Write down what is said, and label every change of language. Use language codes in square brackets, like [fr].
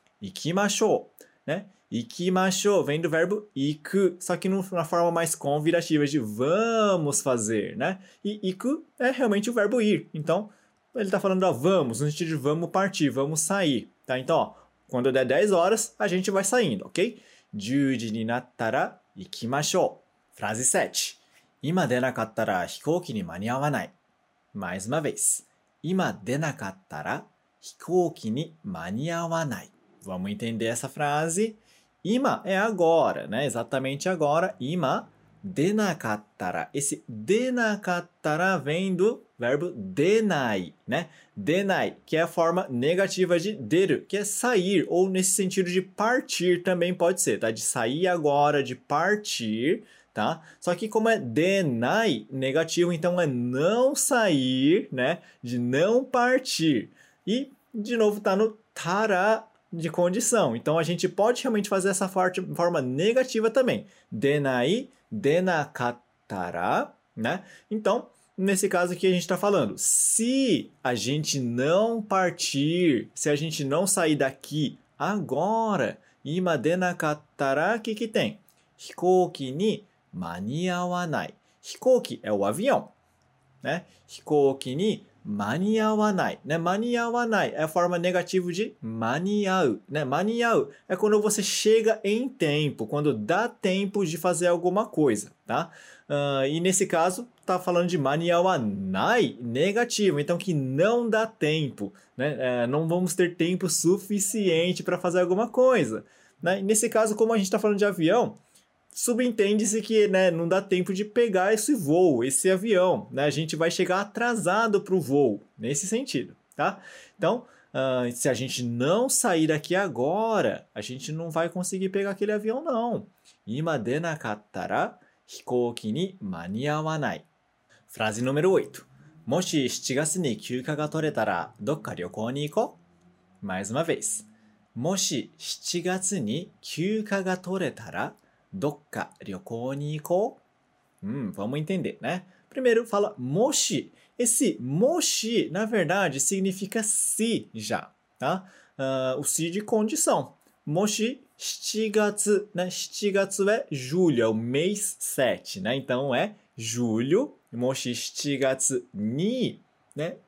[pt] Ikimashou, né? Ikimashou vem do verbo iku, só que na forma mais convidativa de vamos fazer, né? E iku é realmente o verbo ir. Então, ele tá falando, ó, vamos, no sentido de vamos partir, vamos sair, tá? Então, ó, Quando der 10 horas, a gente vai saindo, ok? [ja] 10時になったら行きましょう。 [pt] フラーズ7。 [ja] 今出なかったら飛行機に間に合わない。 [pt] Mais uma vez. [ja] 今出なかったら飛行機に間に合わない。 [pt] Vamos entender essa frase? 今 é agora, né? Exatamente agora. [ja] 今出なかったら。 [pt] Esse 出なかったら vem do verbo 出ない, né? 出ない, que é a forma negativa de 出る, que é sair, ou nesse sentido de partir também pode ser, tá? De sair agora, de partir, tá? Só que como é 出ない, negativo, então é não sair, né? De não partir. E, de novo, tá no tará de condição. Então, a gente pode realmente fazer essa forma negativa também. [ja] 出ない, 出なかったら, né? [pt] Então, nesse caso aqui a gente está falando, se a gente não partir, se a gente não sair daqui agora, [ja] 今出なかったら, [pt] o que que tem? [ja] 飛行機に間に合わない. [pt] 飛行機 é o avião, né? [ja] 飛行機に間に合わない, né? [pt] 間に合わない é a forma negativa de 間に合う, né? 間に合う é quando você chega em tempo, quando dá tempo de fazer alguma coisa, tá? E nesse caso, tá falando de 間に合わない negativo, então que não dá tempo, né? Não vamos ter tempo suficiente para fazer alguma coisa, né? E nesse caso, como a gente está falando de avião, subentende-se que, né, não dá tempo de pegar esse voo, esse avião, né? A gente vai chegar atrasado para o voo, nesse sentido, tá? Então, se a gente não sair daqui agora, a gente não vai conseguir pegar aquele avião, não. [ja] 今出なかったら飛行機に間に合わない。 [pt] Frase número 8. [ja] もし7月に休暇が取れたらどっか旅行に行こう? [pt] Mais uma vez. [ja] もし7月に休暇が取れたらどっか旅行に行こう? [pt] Vamos entender, né? Primeiro fala moshi. Esse moshi, na verdade, significa se já, tá? O se de condição. Moshi, shitigatsu, né? Shitigatsu é julho, é o mês 7, né? Então é julho, [ja] moshi shitigatsu ni, [pt] né?